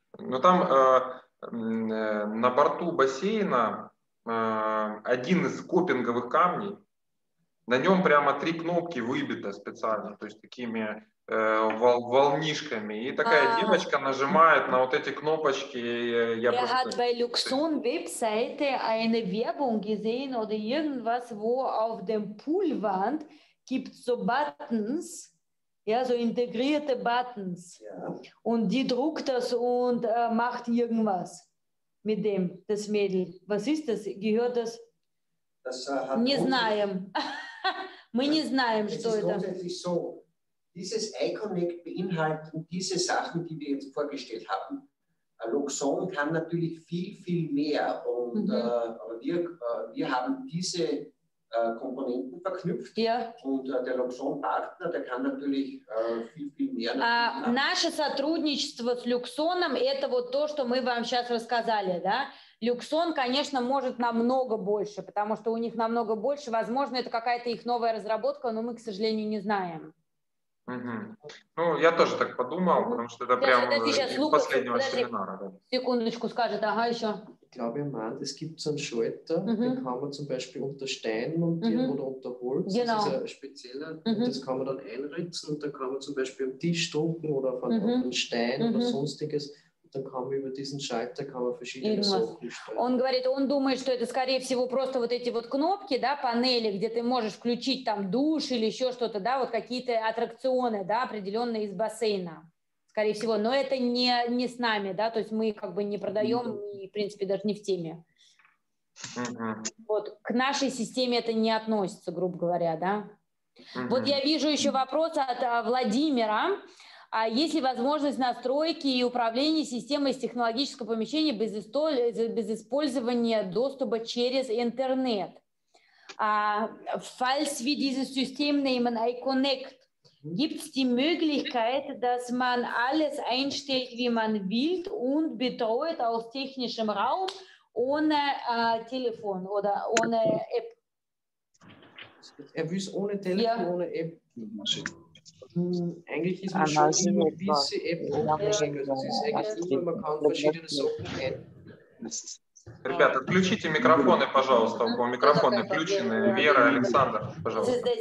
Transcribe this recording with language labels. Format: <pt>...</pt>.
<ru>Но там на борту бассейна один из копинговых камней, на нем прямо 3 кнопки выбиты специально, то есть такими волнишками. И такая девочка нажимает на вот эти кнопочки. Я</ru> <de>hat bei Luxon Webseite eine Werbung gesehen oder irgendwas, wo auf dem Poolwand gibt so Buttons, ja, so integrierte Buttons. Und die druckt das und macht irgendwas. mit dem, das Mädel? Was ist das? Gehört das? Das</de> <ru>не знаем. Мы не знаем, что это.</ru> <de>So, dieses iConnect beinhaltet diese Sachen, die wir jetzt vorgestellt haben. Luxon kann natürlich viel, viel mehr. Und wir haben diese Komponenten verknüpft. Ja. Und der Luxon-Partner, der kann natürlich viel, viel mehr.</de> <ru>Наше сотрудничество с Luxon'ом – это вот то, что мы вам сейчас рассказали, да? Luxon, конечно, может намного больше, потому что у них намного больше. Возможно, это какая-то их новая разработка, но мы, к сожалению, не знаем. Угу. Ну, я тоже так подумал, потому что это прямо из последнего семинара. Секундочку, скажет, ага, еще.</ru> <de>Ich glaube, ihr meint, es gibt so einen Schalter, den kann man zum Beispiel unter Stein montieren oder unter Holz. Genau. Das ist ein spezieller. Und das kann man dann einritzen und dann kann man zum Beispiel am Tisch drucken oder auf einen Stein oder sonstiges. Dann kann man über diesen Schalter kann man verschiedene Sachen steuern.</de> <ru>Он говорит, он думает, что это, скорее всего, просто вот эти вот кнопки, да, панели, где ты можешь включить там душ или еще что-то, да, вот какие-то аттракционы, да, определенные из бассейна. Скорее всего, но это не с нами, да, то есть мы как бы не продаем и, в принципе, даже не в теме. Вот, к нашей системе это не относится, грубо говоря, да. Вот я вижу еще вопрос от Владимира. А есть ли возможность настройки и управления системой с технологического помещения без использования доступа через интернет?</ru> <de>Falls wir dieses System nehmen, iConnect, gibt es die Möglichkeit, dass man alles einstellt, wie man will und betreut aus technischem Raum ohne Telefon oder ohne App? Er will es ohne Telefon, ja. Ohne App. Eigentlich ist man schon immer ein bisschen App umgeschickt. Man kann verschiedene Sachen</de> <ru>Ребята, включите микрофоны, пожалуйста. Микрофоны включены. Вера, Александр, пожалуйста.</ru>